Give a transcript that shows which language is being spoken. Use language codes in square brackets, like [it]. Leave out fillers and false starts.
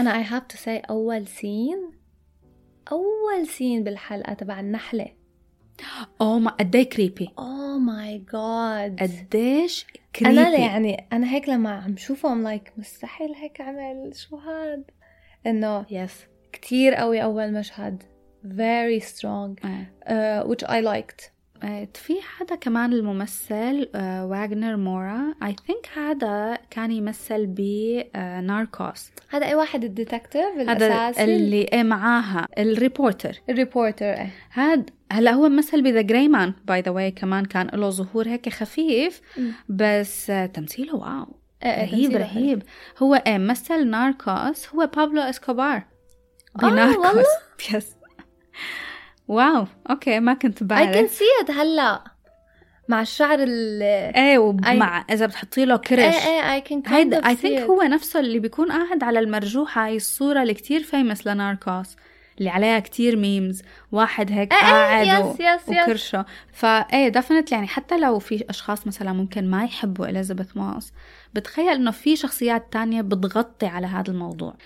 [ar] انا [en] I have to say [ar] اول سين، اول سين بالحلقه تبع النحله، قدي كريبي. [en] my God [ar] قديش كريبي. انا يعني انا هيك لما عم شوفه [en] I'm like [ar] مستحيل هيك عمل، شو هاد؟ انه [en] yes [ar] كثير قوي اول مشهد، [en] very strong which I liked. [ar] في حدا كمان الممثل واغنر مورا، [en] I think [ar] هذا كان يمثل ب ناركوس، هذا اي واحد الديتكتيف الاساسي اللي معاها الريبورتر. الريبورتر هلا هو مثل بذا جراي مان [en] by the way, [ar] كمان كان له ظهور هيك خفيف بس تمثيله واو رهيب رهيب. هو مثل ناركوس، هو بابلو اسكوبار بناركوس. يس. واو اوكي ما كنت بعرف. [en] I can see it [ar] هلا مع الشعر ايه ومع اذا بتحطي له كرش. [en] I can kind of see it. I think [ar] هو نفسه اللي بيكون قاعد على المرجوحة، هاي الصورة اللي كتير فيمس لناركوس اللي عليها كتير ميمز، واحد هيك قاعد وكرشه. فاي دفنت يعني، حتى لو في اشخاص مثلا ممكن ما يحبوا اليزابيث موس، بتخيل انه في شخصيات تانية بتغطي على هذا الموضوع.